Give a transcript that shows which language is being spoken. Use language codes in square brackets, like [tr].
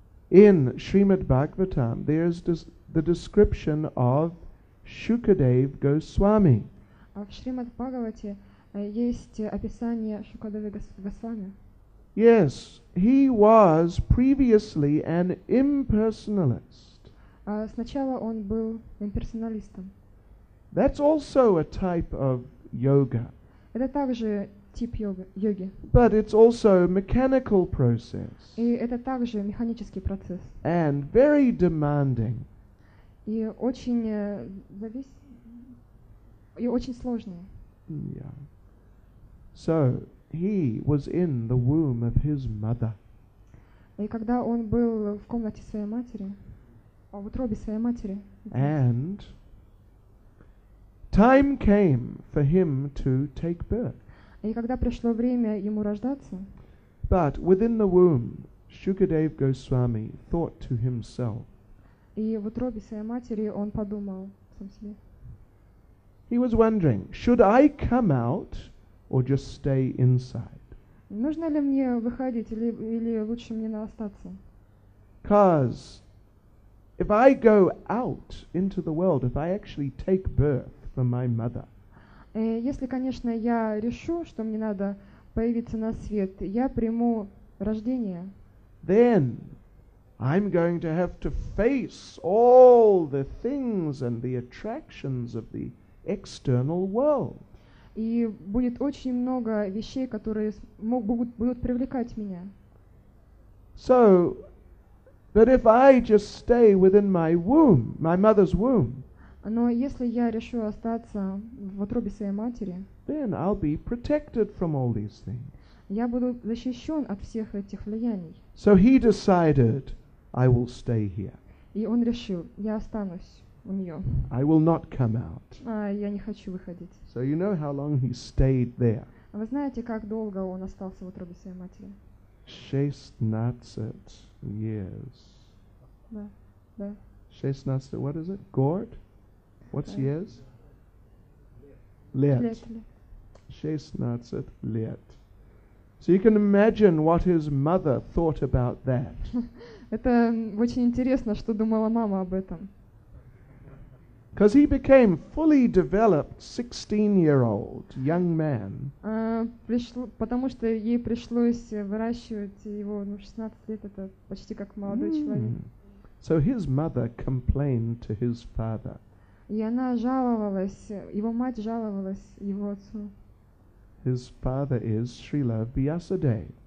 [en] In Srimad Bhagavatam there is the description of Shukadev Goswami. [ru] В Шримад Бхагавате есть описание Шукадева Госвами. [en] Yes, he was previously an impersonalist. [ru] Сначала он был имперсоналистом. [en] That's also a type of yoga. [ru] Это также тип йоги. [en] But it's also a mechanical process. [ru] И это также механический процесс. [en] And very demanding. [ru] И очень сложный. [en] Yeah. So he was in the womb of his mother. [ru] И когда он был в комнате своей матери, в утробе своей матери. [en] And time came for him to take birth. [ru] И когда пришло время ему рождаться. [en] But within the womb, Shukadev Goswami thought to himself. [ru] И в утробе своей матери он подумал сам себе. [en] He was wondering, should I come out? Or just stay inside. [ru] Нужно ли мне выходить или лучше мне остаться? [en] Because if I go out into the world, if I actually take birth from my mother. [ru] Если, конечно, я решу, что мне надо появиться на свет, я приму рождение. [en] Then I'm going to have to face all the things and the attractions of the external world. [ru] И будет очень много вещей, которые будут привлекать меня. [en] So, but if I just stay within my womb, my mother's womb, [ru] но если я решу остаться в утробе своей матери, [en] then I'll be protected from all these things. [ru] Я буду защищен от всех этих влияний. [en] So he decided, I will stay here. [ru] И он решил, я останусь. [en] I will not come out. [ru] Я не хочу выходить. [en] So you know how long he stayed there. [ru] Вы знаете, как долго он остался в утробе своей матери? [en] 16 years. [ru] Да, да. [en] 16, what is it? Год? What's years? [ru] Лет. 16 лет. [en] So you can imagine what his mother thought about that. [ru] Это очень интересно, что думала мама об этом. [en] Because he became fully developed 16-year-old young man. [ru] Потому что ей пришлось выращивать его, ну, 16 лет, это почти как молодой человек. [en] So his mother complained to his father. [ru] И она жаловалась, его мать жаловалась его отцу. [en] His father is Srila Vyasadeva.